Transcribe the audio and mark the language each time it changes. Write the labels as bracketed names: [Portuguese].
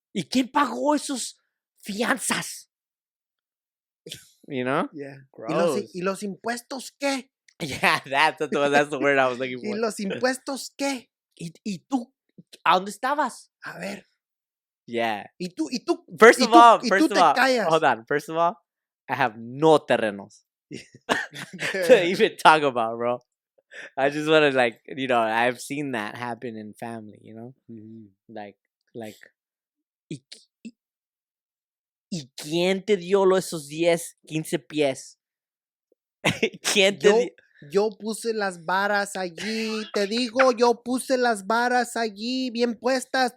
[Spanish] ¿Y quién pagó esos fianzas? [English] You know? Yeah. [Spanish] Gross. ¿Y los impuestos qué? [English] Yeah, that's the word I was looking for. [Spanish] ¿Y los impuestos qué? ¿Y tú? ¿A dónde estabas? A ver. [English] Yeah. [Spanish] ¿Y tú? [English] First of all, callas? Hold on. First of all, I have no terrenos to even talk about, bro. I just want to, like, you know, I've seen that happen in family, you know? Mm-hmm. [Spanish] Like, ¿Y quién te dio esos 10, 15 pies? ¿Quién te dio? Yo puse las varas allí. Te digo, yo puse las varas allí bien puestas.